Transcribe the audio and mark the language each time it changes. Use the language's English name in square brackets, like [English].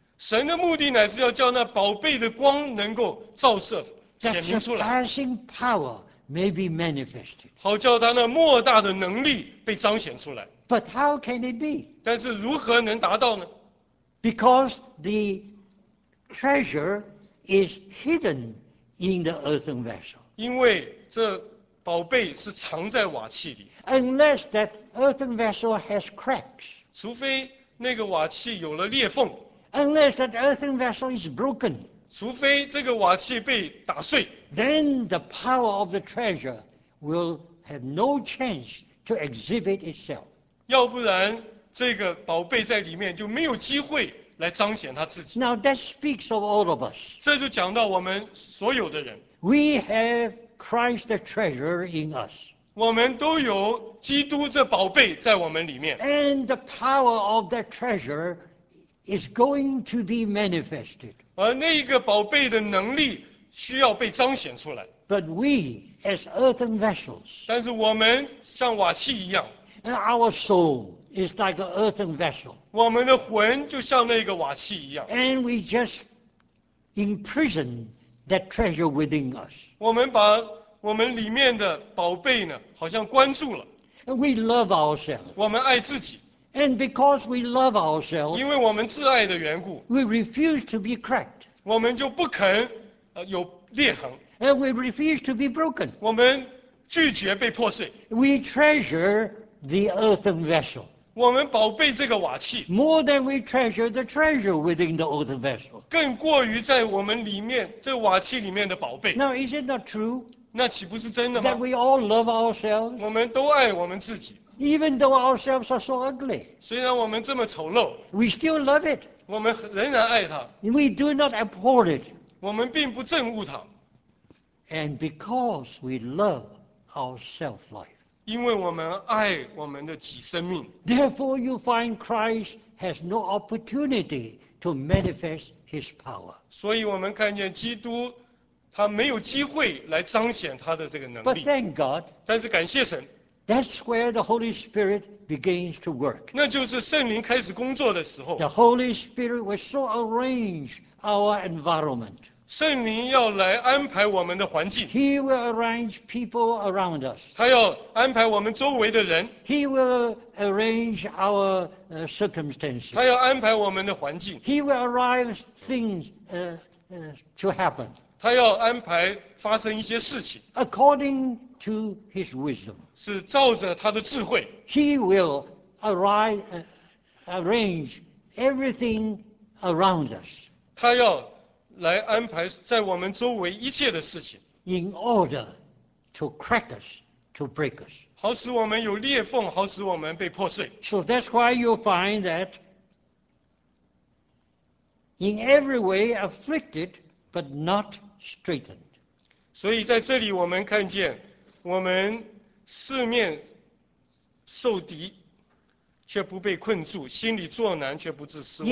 [Chinese] 神的目的乃是要叫那宝贝的光能够照射显明出来。 [English] That surpassing power may be manifested. [Chinese] 好叫他那莫大的能力被彰显出来。 [English] But how can it be? [Chinese] 但是如何能达到呢？ [English] Because the treasure is hidden in the earthen vessel. [Chinese] 因为这宝贝是藏在瓦器里。 [English] Unless that earthen vessel has cracks. [Chinese] 除非那个瓦器有了裂缝。 [English] Unless that earthen vessel is broken. [Chinese] 除非这个瓦器被打碎。 [English] Then the power of the treasure will have no chance to exhibit itself. [Chinese] 要不然这个宝贝在里面就没有机会来彰显他自己。 [English] Now that speaks of all of us. [Chinese] 这就讲到我们所有的人。 [English] We have Christ the treasure in us. [Chinese] 我们都有基督这宝贝在我们里面。 [English] And the power of that treasure is going to be manifested. [Chinese] 而那个宝贝的能力需要被彰显出来。 [English] But we as earthen vessels. [Chinese] 但是我们像瓦器一样。 [English] And our soul is like an earthen vessel. [Chinese] 我们的魂就像那个瓦器一样。 [English] And we just imprison that treasure within us. [Chinese] 我们把我们里面的宝贝呢，好像关住了。 [English] And we love ourselves. [Chinese] 我们爱自己。 [English] And because we love ourselves, [Chinese] 因为我们自爱的缘故， [English] we refuse to be cracked. [Chinese] 我们就不肯有裂痕。 [English] And we refuse to be broken. [Chinese] 我们拒绝被破碎。 [English] We treasure the earthen vessel. [Chinese] 我们宝贝这个瓦器。 [English] More than we treasure the treasure within the earthen vessel. [Chinese] 更过于在我们里面这瓦器里面的宝贝。 [English] Now is it not true? [Chinese] 那岂不是真的吗？ [English] That we all love ourselves. [Chinese] 我们都爱我们自己。 [English] Even though ourselves are so ugly. [Chinese] 虽然我们这么丑陋。 [English] We still love it. [Chinese] 我们仍然爱它。 [English] We do not abhor it. [Chinese] 我们并不憎恶它。 [English] And because we love our self-life. [Chinese] 因为我们爱我们的己生命。 [English] Therefore, you find Christ has no opportunity to manifest his power. [Chinese] 所以我们看见基督他没有机会来彰显他的这个能力。 [English] But thank God. [Chinese] 但是感谢神。 [English] That's where the Holy Spirit begins to work. [Chinese] 那就是圣灵开始工作的时候。 [English] The Holy Spirit will so arrange our environment. [Chinese] 圣灵要来安排我们的环境。 [English] He will arrange people around us. [Chinese] 他要安排我们周围的人。 [English] He will arrange our circumstances. [Chinese] 他要安排我们的环境。 [English] He will arrange things to happen. [Chinese] 他要安排发生一些事情。 [English] According to his wisdom. [Chinese] 是照着他的智慧。 [English] He will arrange everything around us. [Chinese] 他要来安排在我们周围一切的事情。 [English] In order to crack us, to break us. [Chinese] 好使我们有裂缝，好使我们被破碎。 [English] So that's why you find that in every way afflicted, but not straightened. [Chinese] 所以在这里我们看见我们四面受敌，却不被困住；心里作难，却不致失望。